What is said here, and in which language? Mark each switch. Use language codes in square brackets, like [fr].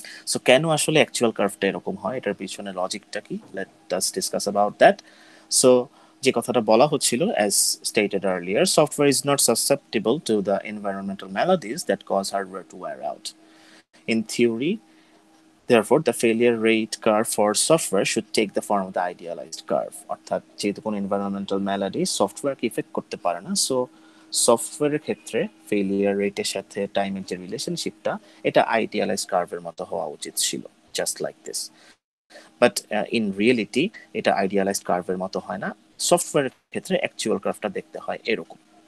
[bn] So কেন আসলে actual কার্ভটা এরকম হয়, এটার পিছনে লজিকটা কি, [en] Let us discuss about that. So [bn] যে কথাটা বলা হচ্ছিল, [en] As stated earlier, software is not susceptible to the environmental maladies that cause hardware to wear out in theory. Therefore, the failure rate curve for software should take the form of the idealized curve. [bn] অর্থাৎ যেহেতু কোনো environmental ম্যালাডি সফটওয়্যারকে effect করতে পারে না, so সফটওয়্যারের ক্ষেত্রে failure রেটের সাথে টাইমের যে রিলেশনশিপটা, এটা আইডিয়ালাইজড কার্ভের মতো হওয়া উচিত ছিল, [en] Just like this. But in reality [bn] এটা আইডিয়ালাইজড কার্ভের মতো হয় না, সফটওয়্যারের ক্ষেত্রে অ্যাকচুয়াল কার্ভটা দেখতে হয় এরকম।